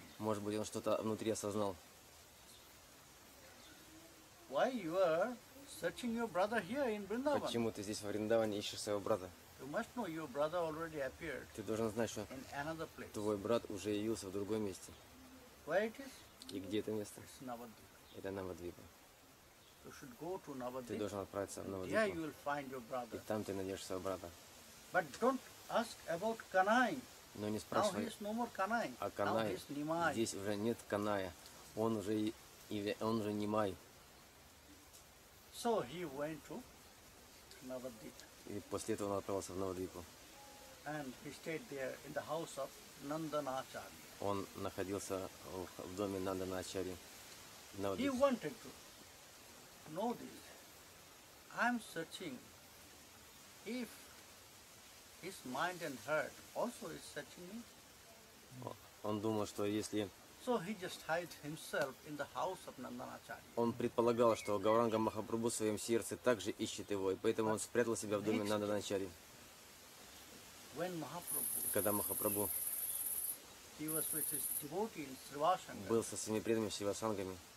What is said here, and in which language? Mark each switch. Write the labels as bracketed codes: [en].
[ru] Может быть, он что-то внутри осознал. [en] Why you are searching your brother here in Vrindavan? [ru] Почему ты здесь во Вриндаване ищешь своего брата? [en] You must know your brother already appeared. [ru] Ты должен знать, что твой брат уже явился в другом месте. [en] Where it is? [ru] И где это место? [en] It's Navadvipa. [ru] Это Навадвипа. [en] You should go to Navadvipa. [ru] Ты должен отправиться в Навадвипу. [en] There you will find your brother. [ru] И там ты найдешь своего брата. [en] But don't ask about Kanai. [ru] Но не спрашивай. [en] Now he is no more Kanai. [ru] А Канай? [en] Now he is Nimai. [ru] Здесь уже нет Каная. Он уже Нимай. [en] So he went to Navadvipa. [ru] И после этого он отправился в Навадвипу. [en] And he stayed there in the house of Nandana Acharya. [ru] Он находился в доме Нандана Ачарьи. [en] He wanted to know this. I'm searching. If his mind and heart also is searching me. [ru] Он думал, что если. [en] So he just hides himself in the house of Nandana Acharya. [ru] Он предполагал, что Гауранга Махапрабху в своем сердце также ищет его, и поэтому он спрятал себя в доме Нандана Ачарьи. [en] When Mahaprabhu, [ru] когда Махапрабху, [en] he was with his devotee in Srivasanga, [ru] был со своими преданными Сривасангами,